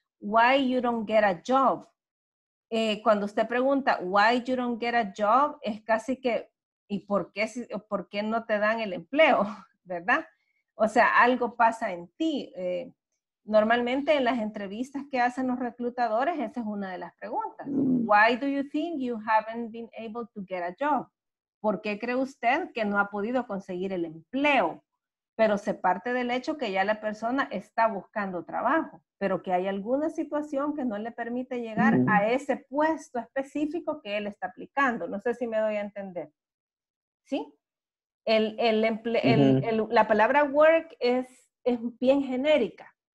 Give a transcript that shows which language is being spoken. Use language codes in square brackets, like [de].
[en] Why you don't get a job? [es] Cuando usted pregunta, [en] why you don't get a job, [es] es casi que, ¿y por qué no te dan el empleo? ¿Verdad? O sea, algo pasa en ti. Normalmente en las entrevistas que hacen los reclutadores, esa es una de las preguntas. [en] Why do you think you haven't been able to get a job? [es] ¿Por qué cree usted que no ha podido conseguir el empleo? Pero se parte del hecho que ya la persona está buscando trabajo, pero que hay alguna situación que no le permite llegar a ese puesto específico que él está aplicando. No sé si me doy a entender. ¿Sí? La palabra work es bien genérica.